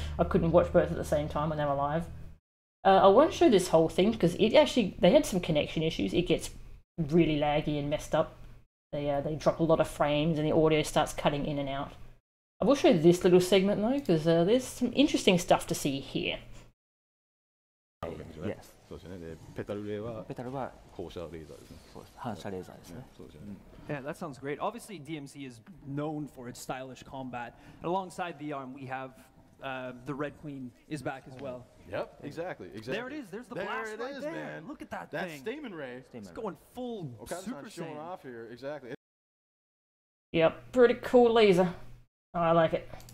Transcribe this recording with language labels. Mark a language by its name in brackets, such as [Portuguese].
[English] I couldn't watch both at the same time when they were live. I won't show this whole thing, because they had some connection issues. It gets really laggy and messed up. They drop a lot of frames, and the audio starts cutting in and out. I will show this little segment, though, because there's some interesting stuff to see here. Yes. [Japanese] そうですね。で、ペタルレーは、ペタルは、放射レーザーですね。そうです。反射レーザーですね。そうですね。 [English] Yeah, that sounds great. Obviously, DMC is known for its stylish combat. Alongside the arm, we have the Red Queen is back as well. Yep, exactly, exactly. There it is. There's the blast right there. There it is, man. Look at that thing. That's Stamen Ray. It's going full Super Saiyan. Okada's showing off here. Exactly. Yep, pretty cool laser. Oh, I like it.